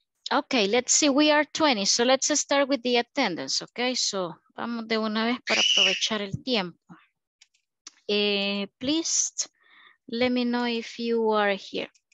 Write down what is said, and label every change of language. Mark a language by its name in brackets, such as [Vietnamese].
[English] Okay, let's see, we are 20, so let's start with the attendance, okay? [Spanish] So, vamos de una vez para aprovechar el tiempo. [English] Please, let me know if you are here.